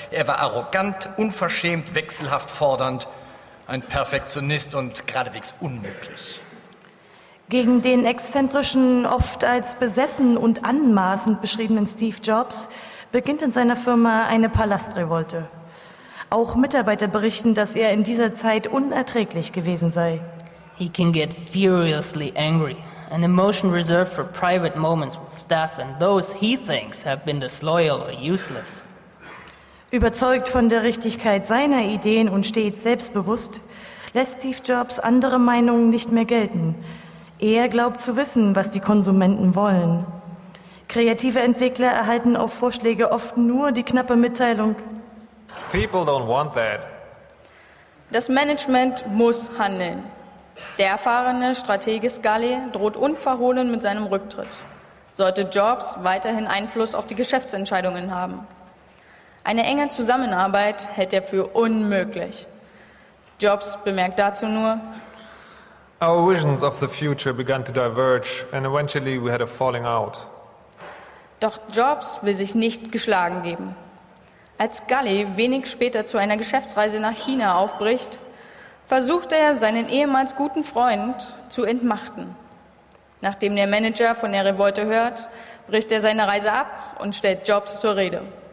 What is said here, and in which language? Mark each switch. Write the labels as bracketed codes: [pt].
[de] Er war arrogant, unverschämt, wechselhaft fordernd, ein Perfektionist und geradewegs unmöglich. Gegen den exzentrischen, oft als besessen und anmaßend beschriebenen Steve Jobs beginnt in seiner Firma eine Palastrevolte. Auch Mitarbeiter berichten, dass er in dieser Zeit unerträglich gewesen sei. [en] He can get furiously angry, an emotion reserved for private moments with staff and those he thinks have been disloyal or useless. [de] Überzeugt von der Richtigkeit seiner Ideen und stets selbstbewusst, lässt Steve Jobs andere Meinungen nicht mehr gelten. Er glaubt zu wissen, was die Konsumenten wollen. Kreative Entwickler erhalten auf Vorschläge oft nur die knappe Mitteilung. [en] People don't want that. [de] Das Management muss handeln. Der erfahrene Stratege Scully droht unverhohlen mit seinem Rücktritt. Sollte Jobs weiterhin Einfluss auf die Geschäftsentscheidungen haben. Eine enge Zusammenarbeit hält er für unmöglich. Jobs bemerkt dazu nur: [en] Our visions of the future began to diverge and eventually we had a falling out. [de] Doch Jobs will sich nicht geschlagen geben. Als Scully wenig später zu einer Geschäftsreise nach China aufbricht, versucht er, seinen ehemals guten Freund zu entmachten. Nachdem der Manager von der Revolte hört, bricht er seine Reise ab und stellt Jobs zur Rede.